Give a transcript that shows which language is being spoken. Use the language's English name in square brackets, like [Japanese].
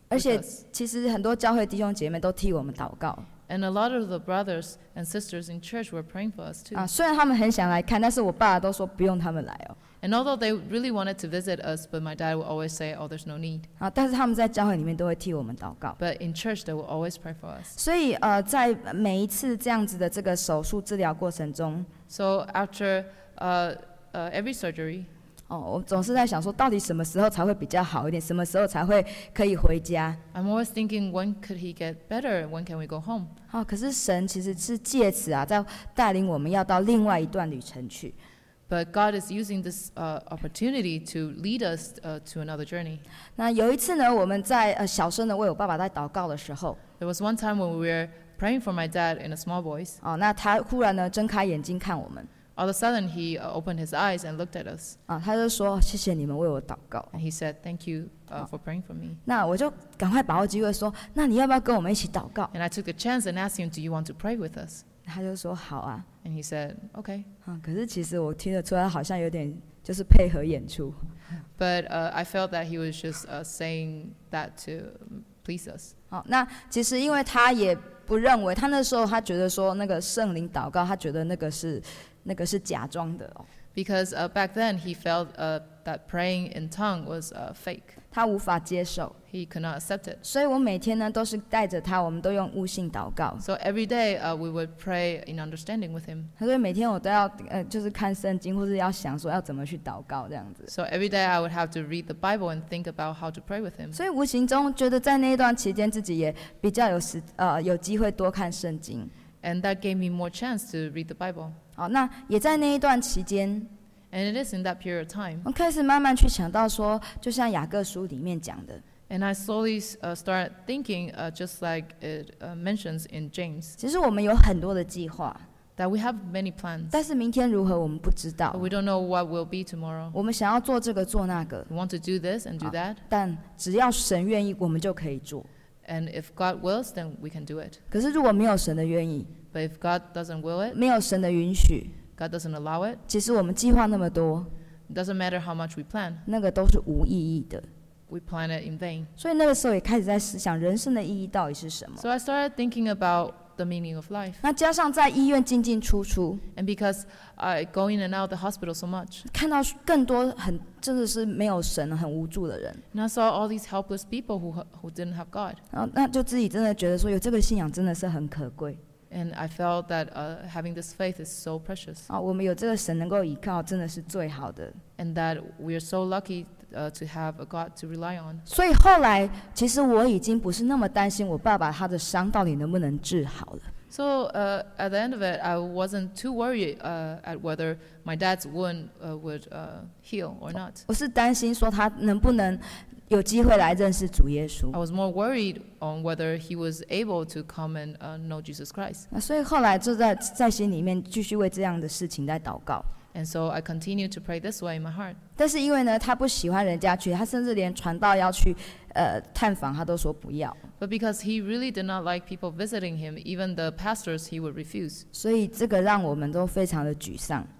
[Chinese] 而且其实很多教会弟兄姐妹都替我们祷告。 [English] And a lot of the brothers and sisters in church were praying for us too. [Chinese] 啊，虽然他们很想来看，但是我爸都说不用他们来哦。 [English] And although they really wanted to visit us, but my dad would always say, "Oh, there's no need." [Chinese] 啊，但是他们在教会里面都会替我们祷告。 [English] But in church, they would always pray for us. [Chinese] 所以在每一次这样子的这个手术治疗过程中 [English] ，So after every surgery. [Chinese] 哦，我总是在想说，到底什么时候才会比较好一点？什么时候才会可以回家 [English] ？I'm always thinking, when could he get better? When can we go home? [Chinese] 好，可是神其实是借此啊，在带领我们要到另外一段旅程去。 [English] But God is using this opportunity to lead us to another journey. [Chinese] 那有一次呢，我们在小声的为我爸爸在祷告的时候 [English] ，There was one time when we were praying for my dad in a small voice. [Chinese] 哦，那他忽然呢睁开眼睛看我们。 [English] All of a sudden, he opened his eyes and looked at us. [Chinese] 啊，他就说谢谢你们为我祷告。 [English] And he said, "Thank you for praying for me." [Chinese] 那我就赶快把握机会说，那你要不要跟我们一起祷告 [English] ？And I took the chance and asked him, "Do you want to pray with us?" [Chinese] 他就说好啊。 [English] And he said, "Okay." [Chinese] 啊，可是其实我听得出来，好像有点就是配合演出。 [English] But I felt that he was just saying that to please us. [Chinese] 好，那其实因为他也不认为，他那时候他觉得说那个圣灵祷告，他觉得那个是。那个是假装的哦。 [English] Because back then he felt that praying in tongue was fake. [Chinese] 他无法接受。 [English] He could not accept it. [Chinese] 所以我每天呢都是带着他，我们都用悟性祷告。 [English] So every day we would pray in understanding with him. [Chinese] 所以每天我都要就是看圣经，或是要想说要怎么去祷告这样子。 [English] So every day I would have to read the Bible and think about how to pray with him. [Chinese] 所以无形中觉得在那一段期间自己也比较有机会多看圣经。 [English] And that gave me more chance to read the Bible. [Chinese] 好，那也在那一段期间。 [English] And it is in that period of time. [Chinese] 我开始慢慢去想到说，就像雅各书里面讲的。 [English] And I slowly start thinking, just like it mentions in James. [Chinese] 其实我们有很多的计划。 [English] That we have many plans. [Chinese] 但是明天如何我们不知道。 [English] But we don't know what will be tomorrow. [Chinese] 我们想要做这个做那个。 [English] We want to do this and do that. [Chinese] 但只要神愿意，我们就可以做。 [English] And if God wills, then we can do it. [Chinese] 可是如果没有神的愿意。 [English] But if God doesn't will it. [Chinese] 没有神的允许。 [English] God doesn't allow it. [Chinese] 其实我们计划那么多。 [English] It doesn't matter how much we plan. [Chinese] 那个都是无意义的。 [English] We plan it in vain. [Chinese] 所以那个时候也开始在思想人生的意义到底是什么。 [English] So I started thinking about the meaning of life. [Chinese] 那加上在医院进进出出。 [English] And because I go in and out the hospital so much. [Chinese] 看到更多很真的是没有神很无助的人。 [English] And I saw all these helpless people who didn't have God. [Chinese] 那就自己真的觉得说有这个信仰真的是很可贵。 [English] And I felt that having this faith is so precious. [Chinese] 我们有这个神能够依靠真的是最好的。 [English] And that we are so lucky to have a God to rely on. [Chinese] 所以后来其实我已经不是那么担心我爸爸他的伤到底能不能治好了。 [English] So at the end of it, I wasn't too worried at whether my dad's wound would heal or not. [Chinese] 我是担心说他能不能有机会来认识主耶稣。 [English] I was more worried on whether he was able to come and know Jesus Christ. [Chinese] 所以后来就在心里面继续为这样的事情在祷告。 [English] And so I continued to pray this way in my heart. [Chinese] 但是因为呢，他不喜欢人家去，他甚至连传道要去探访他都说不要。 [English] But because he really did not like people visiting him, even the pastors he would refuse. [Chinese] 所以这个让我们都非常的沮丧。